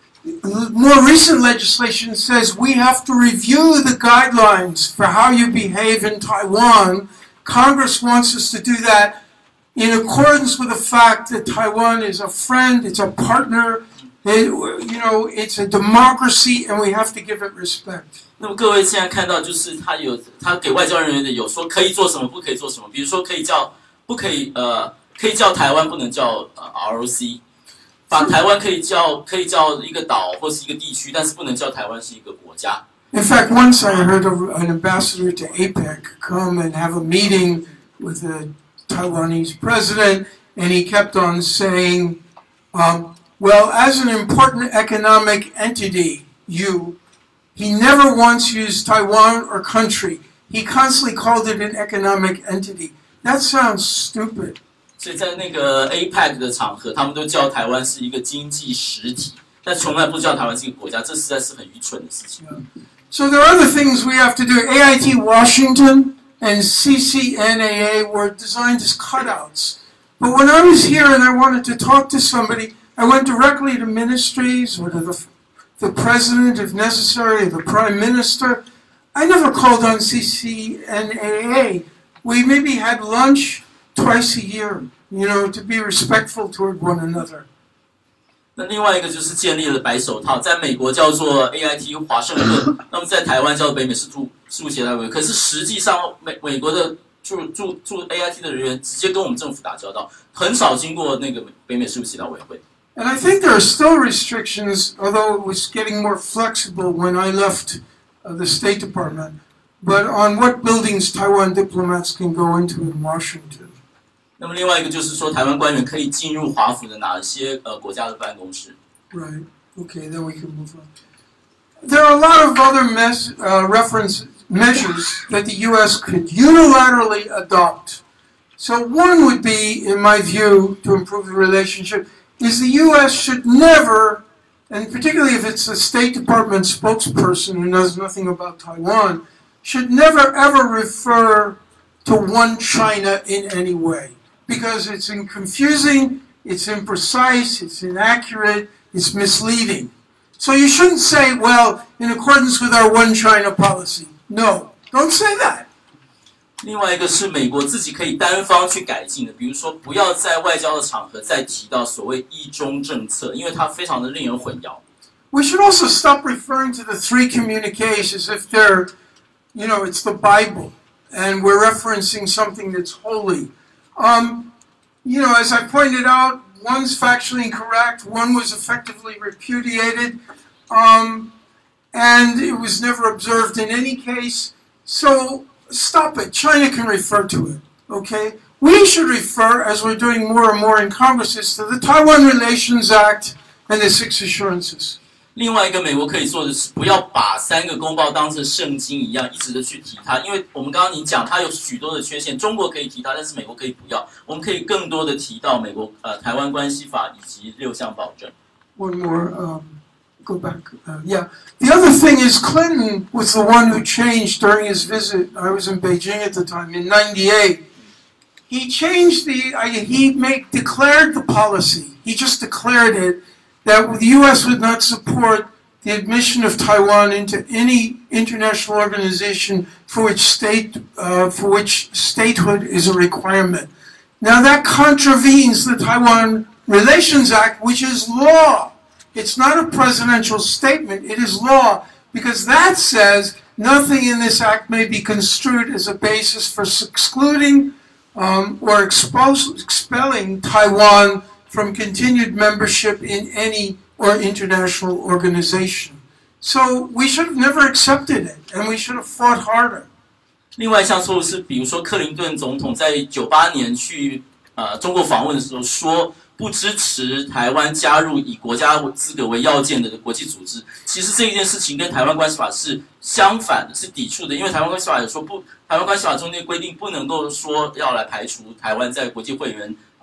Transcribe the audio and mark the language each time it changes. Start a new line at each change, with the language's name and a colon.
English: More recent legislation says we have to review the guidelines for how you behave in Taiwan. Congress wants us to do that in accordance with the fact that Taiwan is a friend, it's a partner, it's a democracy, and we have to give it respect.
Chinese: 那么各位现在看到，就是他给外交人员的有说可以做什么，不可以做什么。比如说可以叫台湾，不能叫ROC。把台湾可以叫一个岛或是一个地区，但是不能叫台湾是一个国家。
English: In fact, once I heard of an ambassador to APEC come and have a meeting with a Taiwanese president, and he kept on saying, "Well, as an important economic entity, you." He never once used Taiwan or country. He constantly called it an economic entity. That sounds stupid.
Chinese: 所以在那个 APEC 的场合，他们都叫台湾是一个经济实体，但从来不叫台湾是一个国家，这实在是很愚蠢的事情。
English: So there are other things we have to do. AIT Washington and CCNAA were designed as cutouts. But when I was here and I wanted to talk to somebody, I went directly to ministries or to the president, if necessary, the prime minister. I never called on CCNAA. We maybe had lunch twice a year, you know, to be respectful toward one another.
Chinese: 那另外一个就是建立了白手套，在美国叫做 AIT 华盛顿，那么在台湾叫北美事务协调委员。可是实际上美国的驻 AIT 的人员直接跟我们政府打交道，很少经过那个北美事务协调委员会。
English: And I think there are still restrictions, although it was getting more flexible when I left the State Department, but on what buildings Taiwan diplomats can go into in Washington.
Chinese: 那么另外一个就是说台湾官员可以进入华府的哪些国家的办公室。
English: Right, okay, then we can move on. There are a lot of other measures that the U.S. could unilaterally adopt. So one would be, in my view, to improve the relationship,is the U.S. should never, and particularly if it's a State Department spokesperson who knows nothing about Taiwan, should never ever refer to one China in any way. Because it's confusing, it's imprecise, it's inaccurate, it's misleading. So you shouldn't say, well, in accordance with our one China policy. No, don't say that.
Chinese: 另外一个是美国自己可以单方去改进的，比如说不要在外交的场合再提到所谓一中政策，因为它非常的令人混淆。
English: We should also stop referring to the three communiques as if they're, you know, it's the Bible, and we're referencing something that's holy. You know, as I pointed out, one's factually incorrect, one was effectively repudiated. and it was never observed in any case. So stop it. China can refer to it, okay? We should refer, as we're doing more and more in Congresses, to the Taiwan Relations Act and the Six Assurances.
Chinese: 另外一个美国可以做的是，不要把三个公报当成圣经一样，一直的去提它。因为我们刚刚您讲，它有许多的缺陷，中国可以提它，但是美国可以不要。我们可以更多的提到美国台湾关系法以及六项保证。
English: One more, go back. Yeah, the other thing is Clinton was the one who changed during his visit. I was in Beijing at the time in '98. He changed the, he make declared the policy. He just declared it. That the U.S. would not support the admission of Taiwan into any international organization for which statehood is a requirement. Now that contravenes the Taiwan Relations Act, which is law. It's not a presidential statement. It is law because that says nothing in this act may be construed as a basis for excluding or expelling Taiwan. From continued membership in any or international organization, so we should have never accepted it, and we should have fought harder.
Chinese: 另外一项错误是，比如说克林顿总统在98年去中国访问的时候说不支持台湾加入以国家资格为要件的国际组织。其实这一件事情跟台湾关系法是相反的，是抵触的，因为台湾关系法有说不，台湾关系法中间规定不能够说要来排除台湾在国际会员。